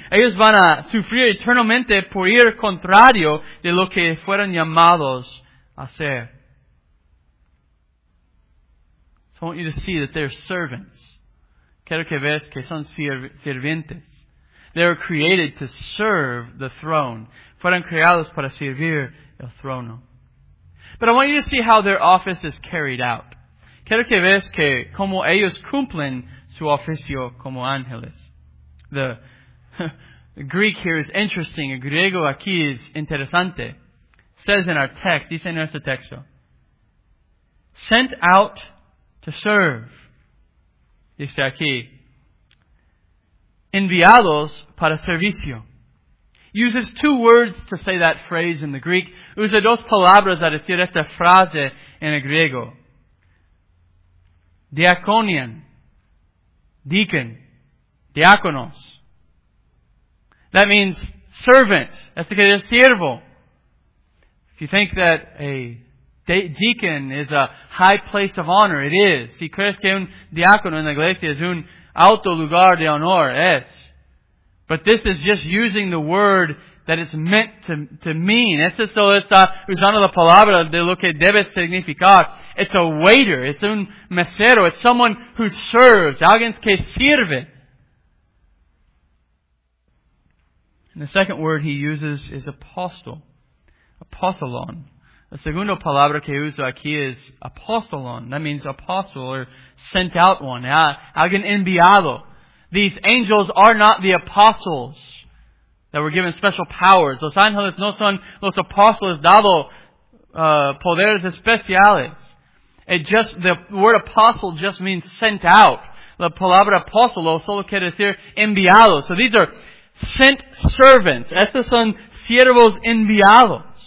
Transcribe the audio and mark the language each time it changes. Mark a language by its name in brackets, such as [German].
[Spanish] Ellos van a sufrir eternamente por ir contrario de lo que fueron llamados a ser. [English] I want you to see that they're servants. [Spanish] Quiero que veas que son sirvientes. [English] They were created to serve the throne. [Spanish] Fueron creados para servir el trono. [English] But I want you to see how their office is carried out. [Spanish] Quiero que veas que como ellos cumplen su oficio como ángeles. [English] The Greek here is interesting. [Spanish] El griego aquí es interesante. [English] Says in our text, [Spanish] dice en nuestro texto. [English] Sent out to serve. [Spanish] Dice aquí. Enviados para servicio. [English] Uses two words to say that phrase in the Greek. [Spanish] Usa dos palabras a decir esta frase en el griego. Diaconian. Deacon. Diáconos. [English] That means servant. [Spanish] Esto quiere decir siervo. [English] If you think that a deacon is a high place of honor, it is. [Spanish] Si crees que un diácono en la iglesia es un alto lugar de honor, es. [English] But this is just using the word that it's meant to mean. [Spanish] Esto solo está usando la palabra de lo que debe significar. [English] It's a waiter. It's [Spanish] un mesero. [English] It's someone who serves. [Spanish] Alguien que sirve. [English] And the second word he uses is apostle. [Spanish] Apostolon. La segunda palabra que uso aquí es apostolon. [English] That means apostle or sent out one. [Spanish] Alguien enviado. [English] These angels are not the apostles that were given special powers. [Spanish] Los ángeles no son los apóstoles dado poderes especiales. [English] The word apostle just means sent out. [Spanish] La palabra apóstolo solo quiere decir enviado. [English] So these are sent servants. [Spanish] Estos son siervos enviados.